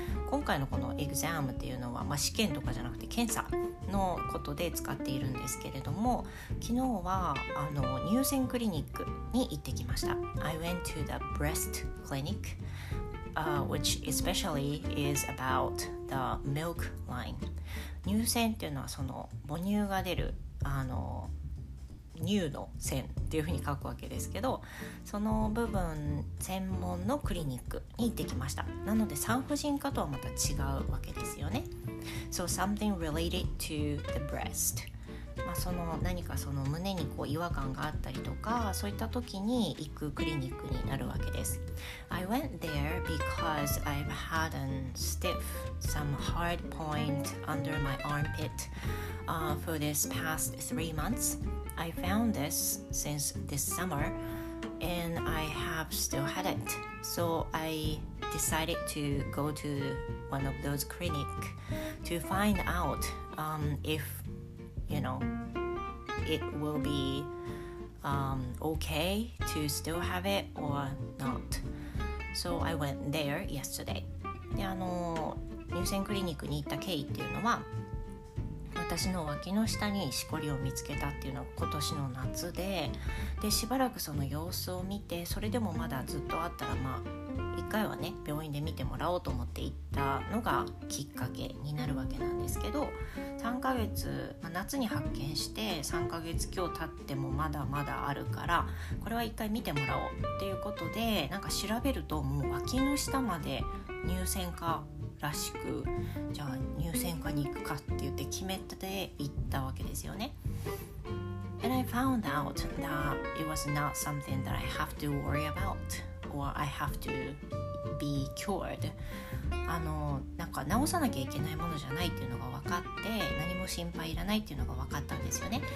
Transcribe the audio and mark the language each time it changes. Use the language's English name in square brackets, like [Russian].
[Japanese] 今回のこの exam っていうのは、試験とかじゃなくて検査のことで使っているんですけれども、昨日は乳腺クリニックに行ってきました。 [English] I went to the breast clinicwhich especially is about the milk line. [Japanese] 乳腺っていうのはその母乳が出る乳の腺っていうふうに書くわけですけど、その部分専門のクリニックに行ってきました。なので産婦人科とはまた違うわけですよね。 [English] So something related to the breast. [Japanese] その何かその胸にこう違和感があったりとか、そういった時に行くクリニックになるわけです。 [English] I went there because I've had a stiff, some hard point under my armpit for this past 3 months. I found this since this summer and I have still had it. So I decided to go to one of those clinic to find out if, you knowit will be okay to still have it or not. So I went there yesterday. [Japanese] で、乳腺クリニックに行った経緯っていうのは、私の脇の下にしこりを見つけたっていうのが今年の夏で、で、しばらくその様子を見て、それでもまだずっとあったら、一回はね、病院で見てもらおうと思って行ったのがきっかけになるわけなんですけど、3ヶ月、夏に発見して3ヶ月今日経ってもまだまだあるから、これは一回見てもらおうっていうことで、なんか調べるともう脇の下まで乳腺科らしく、じゃあ乳腺科に行くかって言って決めて行ったわけですよね。 [English] And I found out that it was not something that I have to worry about or I have to be cured. [Japanese] なんか治さなきゃいけないものじゃないっていうのが分かって、何も心配いらないっていうのが分かったんですよね。